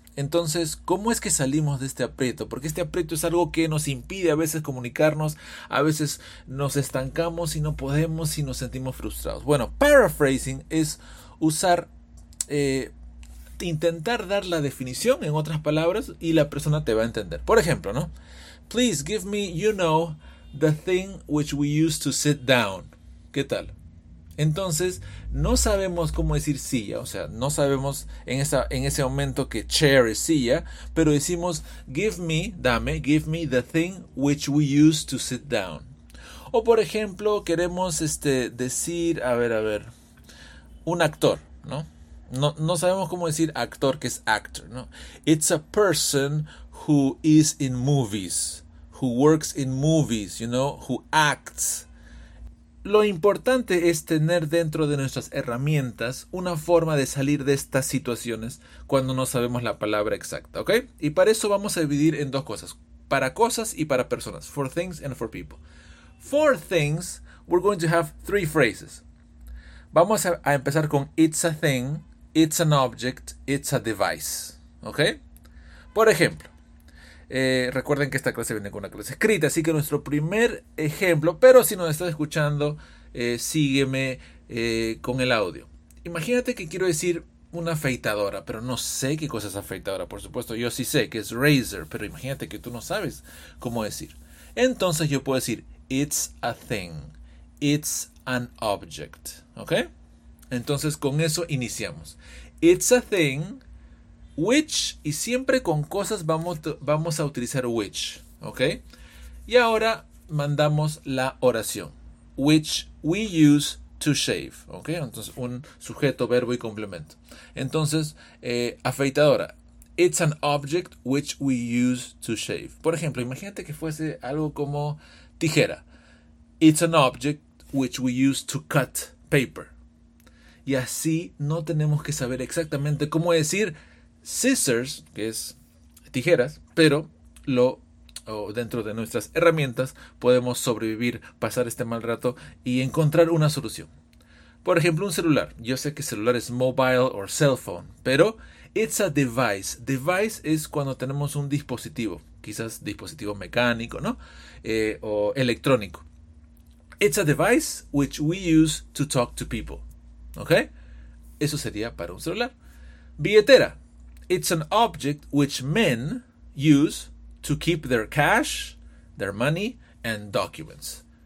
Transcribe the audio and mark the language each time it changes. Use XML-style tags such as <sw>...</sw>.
<es>Entonces, ¿cómo es que salimos de este aprieto? Porque este aprieto es algo que nos impide a veces comunicarnos, a veces nos estancamos y no podemos y nos sentimos frustrados. Bueno, paraphrasing es usar, intentar dar la definición en otras palabras y la persona te va a entender. Por ejemplo, ¿no?</es> <en>Please give me, you know, the thing which we used to sit down.</en> <es>¿Qué tal? Entonces, no sabemos cómo decir silla, o sea, no sabemos en ese momento que chair es silla, pero decimos</es> <en>give me the thing which we used to sit down.</en> <es>O por ejemplo, queremos decir, a ver, un actor, ¿no? No sabemos cómo decir actor, que es actor, ¿no?</es> <en>It's a person who is in movies, who works in movies, you know, who acts.</en> <es>Lo importante es tener dentro de nuestras herramientas una forma de salir de estas situaciones cuando no sabemos la palabra exacta, ¿ok? Y para eso vamos a dividir en dos cosas, para cosas y para personas,</es> <en>for things and for people. For things, we're going to have three phrases.</en> <es>Vamos a empezar con</es> <en>it's a thing, it's an object, it's a device, ¿ok?</en> <es>Por ejemplo, recuerden que esta clase viene con una clase escrita, así que nuestro primer ejemplo, pero si nos estás escuchando, sígueme con el audio. Imagínate que quiero decir una afeitadora, pero no sé qué cosa es afeitadora, por supuesto, yo sí sé que es razor, pero imagínate que tú no sabes cómo decir. Entonces yo puedo decir,</es> <en>it's a thing, it's an object,</en> <es>¿ok? Entonces, con eso iniciamos.</es> <en>It's a thing,</en> <es>Which, y siempre con cosas vamos a utilizar which, ¿ok? Y ahora mandamos la oración,</es> <en>which we use to shave,</en> <es>¿ok? Entonces, un sujeto, verbo y complemento. Entonces, afeitadora,</es> <en>it's an object which we use to shave.</en> <es>Por ejemplo, imagínate que fuese algo como tijera.</es> <en>It's an object which we use to cut paper.</en> <es>Y así no tenemos que saber exactamente cómo decir scissors, que es tijeras, pero dentro de nuestras herramientas podemos sobrevivir, pasar este mal rato y encontrar una solución. Por ejemplo, un celular. Yo sé que celular es</es> <en>mobile or cell phone,</en> <es>pero</es> <en>it's a device.</en> <es>Device es cuando tenemos un dispositivo, quizás dispositivo mecánico, ¿no? O electrónico.</es> <en>It's a device which we use to talk to people. ¿Ok?</en> <es>Eso sería para un celular.</es> <en>Billetera. It's an object which men use to keep their cash, their money, and documents.</en>